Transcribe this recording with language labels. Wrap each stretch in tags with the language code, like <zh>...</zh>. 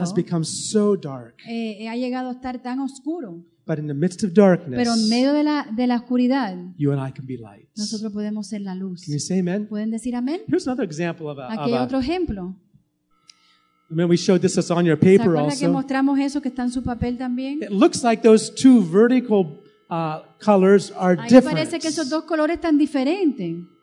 <en>Has become so dark.</en> <es>Ha llegado a estar tan oscuro.</es> <en>But in the midst of darkness,</en> <es>pero en medio de la oscuridad,</es> <en>you and I can be light.</en> <es>Nosotros podemos ser la luz.</es> <en>Can you say amen?</en> <es>¿Pueden decir amén?</es> <en>Here's another example of a.</en> <es>Aquí hay otro ejemplo.</es> <en>I mean, we showed this was on your paper also.</en> <es>¿Se acuerdan que mostramos eso que está en su papel también?</es> <en>It looks like those two vertical colors are different.</en> <es>Ahí parece que esos dos colores están diferentes.</es>